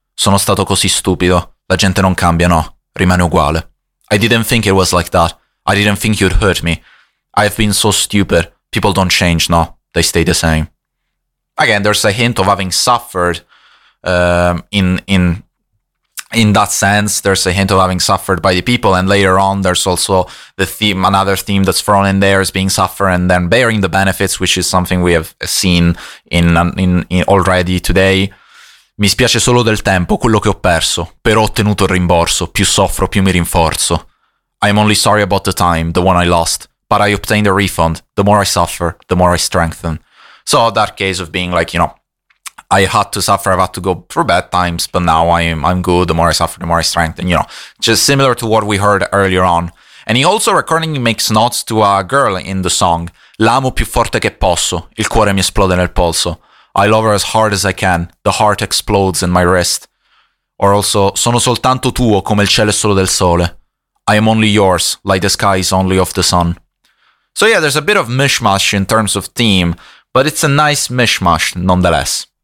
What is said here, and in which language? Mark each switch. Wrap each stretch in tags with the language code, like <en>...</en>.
<it>Sono stato così stupido, la gente non cambia, no, rimane uguale.</it> <en>I didn't think it was like that, I didn't think you'd hurt me. I've been so stupid, people don't change, no, they stay the same." Again, there's a hint of having suffered in that sense. There's a hint of having suffered by the people, and later on there's also the theme, another theme that's thrown in there, is being suffering and then bearing the benefits, which is something we have seen in already today.</en> <it>Mi spiace solo del tempo, quello che ho perso, però ho ottenuto il rimborso, più soffro più mi rinforzo.</it> <en>I am only sorry about the time, the one I lost, but I obtained a refund. The more I suffer, the more I strengthen. So that case of being like, you know, I had to suffer, I've had to go through bad times, but now I'm good, the more I suffer, the more I strengthen, you know. Just similar to what we heard earlier on. And he also recordingly makes notes to a girl in the song.</en> <it>L'amo più forte che posso, il cuore mi esplode nel polso.</it> <en>I love her as hard as I can, the heart explodes in my wrist. Or also,</en> <it>sono soltanto tuo come il cielo è solo del sole.</it> <en>I am only yours, like the sky is only of the sun. So yeah, there's a bit of mishmash in terms of theme, but it's a nice mishmash nonetheless.</en>